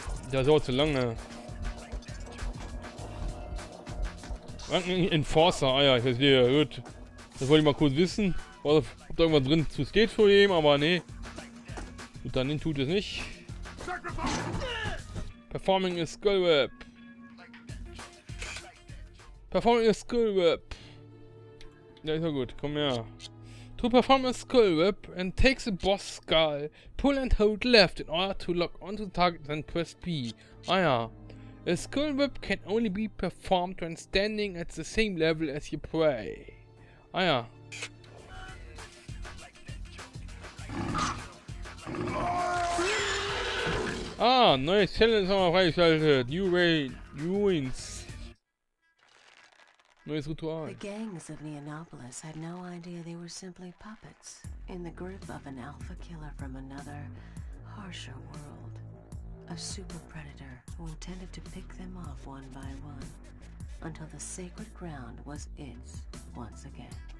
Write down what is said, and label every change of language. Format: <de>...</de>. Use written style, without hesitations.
<de>Das dauert zu lange. Enforcer, ah ja, ich weiß nicht, gut. Das wollte ich mal kurz wissen. Ob da irgendwas drin zu steht vor ihm, aber nee. Gut, dann tut es nicht.</de> <en>Performing a Skull Whip. Performing a Skull Whip.</en> <de>Ja, ist ja gut, komm her.</de> <en>To perform a Skull Whip and take the boss skull, pull and hold left in order to lock onto the target and press B. Ah ja. A skull whip can only be performed when standing at the same level as your prey.</en> <de>Ah ja. Ah, neue Challenge haben wir freigeschaltet. New Ray Ruins. Neues Ritual.</de> <en>The gangs of Neonopolis had no idea they were simply puppets in the grip of an alpha killer from another harsher world. A super predator who intended to pick them off one by one until the sacred ground was its once again.</en>